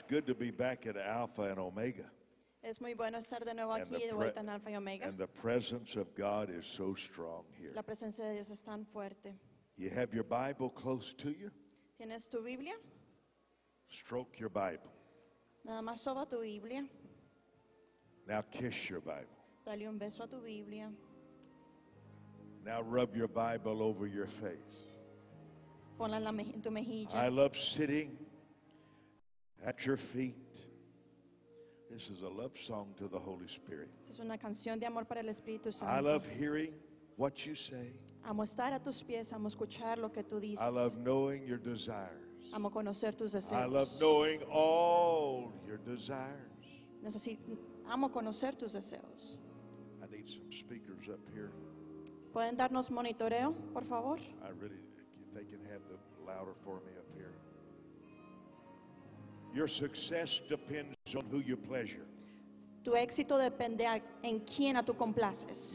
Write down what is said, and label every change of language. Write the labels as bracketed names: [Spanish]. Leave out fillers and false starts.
[English] good to be back at Alpha and Omega. [Spanish] Es muy bueno estar de nuevo aquí, de vuelta en Alpha y Omega. [English] And the presence of God is so strong here. [Spanish] La presencia de Dios es tan fuerte. [English] You have your Bible close to you? [Spanish] ¿Tienes tu Biblia? [English] Stroke your Bible. [Spanish] Nada más soba tu Biblia. [English] Now kiss your Bible. [Spanish] Dale un beso a tu Biblia. [English] Now rub your Bible over your face. [Spanish] Ponla en tu mejilla. [English] I love sitting at your feet. This is a love song to the Holy Spirit. [Spanish] Es una canción de amor para el Espíritu Santo. [English] I love hearing what you say. [Spanish] Amo estar a tus pies, amo escuchar lo que tú dices. [English] I love knowing your desires. [Spanish] Amo conocer tus deseos. [English] I love knowing all your desires. [Spanish] Amo conocer tus deseos. [English] I need some speakers up here. [Spanish] ¿Pueden darnos monitoreo, por favor? [English] I really, if they can have the louder for me up here. Your success depends on who you pleasure. [Spanish] Tu éxito depende en quién a tú complaces.